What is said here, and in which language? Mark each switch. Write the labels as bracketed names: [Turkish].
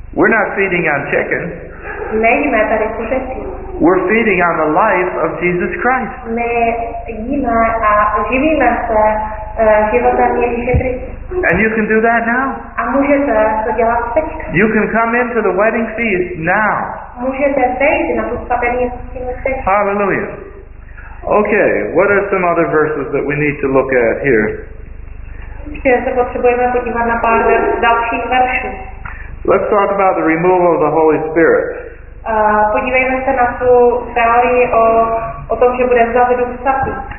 [English] We're not feeding on chicken. [Czech] Nejíme tady kuřecí. [English] We're feeding on the life of Jesus Christ. [Czech] My jíme a živíme se životem Ježíše Krista. [English] And you can do that now. [Czech] A můžete to dělat teď. [English] You can come into the wedding feast now. [Czech] Můžete vejít na tu svatební hostinu teď. [English] Hallelujah. Okay, what are some other verses that we need to look at here? [Czech] Ještě se potřebujeme podívat na pár dalších veršů. [English] Let's talk about the removal of the Holy Spirit. [Czech] Podívejme se na tu teorii o tom, že bude vzat Duch Svatý.